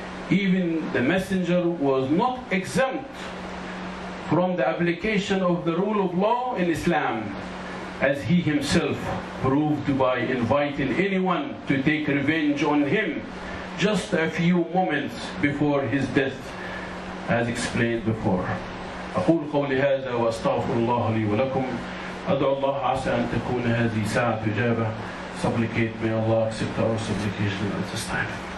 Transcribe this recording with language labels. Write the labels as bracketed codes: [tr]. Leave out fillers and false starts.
[en] Even the messenger was not exempt from the application of the rule of law in Islam, as he himself proved by inviting anyone to take revenge on him just a few moments before his death, as explained before. [ar] أقول قولي هذا وأستغفر الله لي ولكم. أدعو الله عسى أن تكون هذه ساعة إجابة. [en] Supplicate, may Allah accept our supplication at this time.